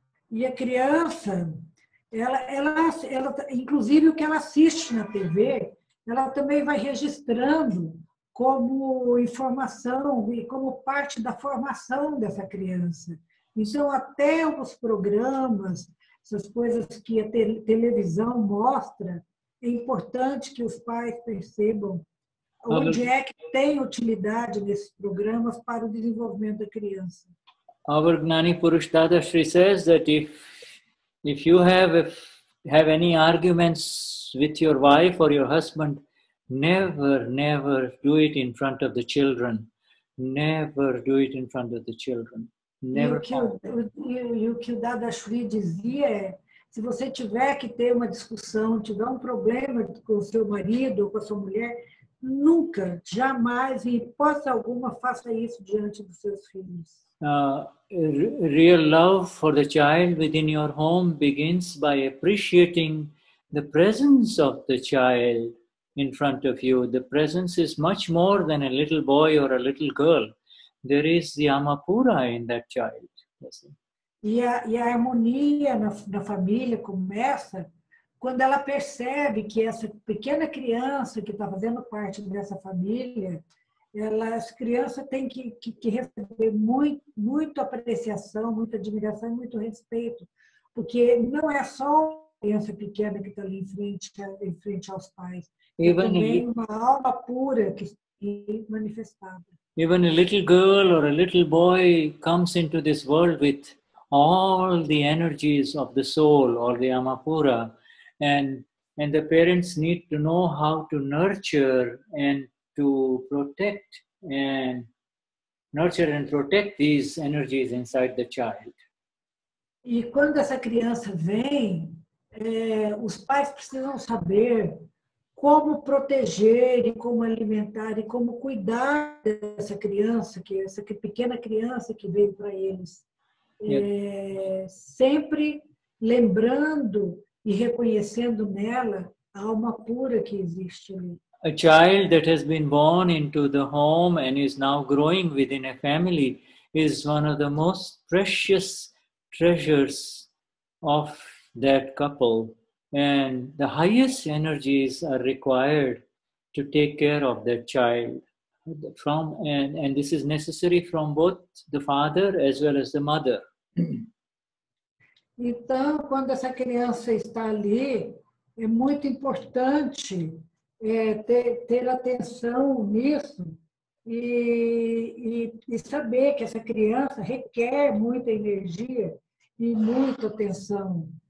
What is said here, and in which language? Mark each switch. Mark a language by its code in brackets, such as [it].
[pt] E a criança, ela inclusive o que ela assiste na TV, ela também vai registrando como informação e como parte da formação dessa criança. Então, até os programas, essas coisas que a televisão mostra, é importante que os pais percebam onde é que tem utilidade nesses programas para o desenvolvimento da criança. [en] Our Gnani Purush Dadashri says that if you have any arguments with your wife or your husband, never, never do it in front of the children. Never do it in front of the children. Never. [pt] E o que o Dadashri dizia é, se você tiver que ter uma discussão, tiver um problema com seu marido ou com a sua mulher, nunca, jamais, em hipótese alguma, faça isso diante dos seus filhos. [en] Real love for the child within your home begins by appreciating the presence of the child in front of you. The presence is much more than a little boy or a little girl. There is the Amapura in that child. [pt] E a harmonia na família começa quando ela percebe que essa pequena criança que está fazendo parte dessa família, as crianças têm que receber muita apreciação, muita admiração e muito respeito. Porque não é só uma criança pequena que está ali em frente aos pais. Even é também uma alma pura que se manifestava. [en] Even a little girl or a little boy comes into this world with all the energies of the soul or the Amapura. And the parents need to know how to nurture and to protect and nurture and protect these energies inside the child. [pt] E quando essa criança vem, os pais precisam saber como proteger e como alimentar e como cuidar dessa criança, que essa pequena criança que veio para eles. Yeah. Sempre lembrando e reconhecendo nela a alma pura que existe ali. [en] A child that has been born into the home and is now growing within a family is one of the most precious treasures of that couple. And the highest energies are required to take care of that child. From and this is necessary from both the father as well as the mother. [pt] Então, quando essa criança está ali, é muito importante ter atenção nisso e saber que essa criança requer muita energia e muita atenção.